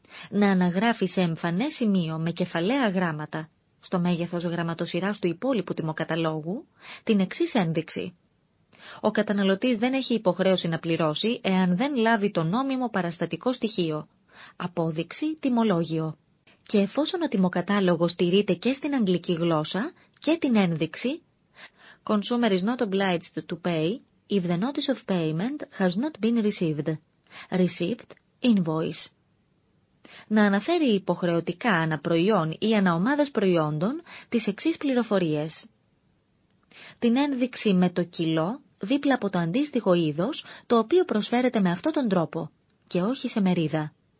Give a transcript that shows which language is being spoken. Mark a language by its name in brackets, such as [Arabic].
[Greek] Να αναγράφει σε εμφανέ σημείο με κεφαλαία γράμματα, στο μέγεθος γραμματοσειράς του υπόλοιπου τιμοκαταλόγου, την εξής ένδειξη. Ο καταναλωτής δεν έχει υποχρέωση να πληρώσει εάν δεν λάβει το νόμιμο παραστατικό στοιχείο. Απόδειξη, τιμολόγιο. Και εφόσον ο τιμοκατάλογος τηρείται και στην αγγλική γλώσσα και την ένδειξη [English] «Consumer is not obliged to pay if the notice of payment has not been received. Received invoice». [Greek] Να αναφέρει υποχρεωτικά ανά προϊόν ή ανά ομάδας προϊόντων τις εξής πληροφορίες. Την ένδειξη με το κιλό δίπλα από το αντίστοιχο είδος το οποίο προσφέρεται με αυτόν τον τρόπο και όχι σε μερίδα.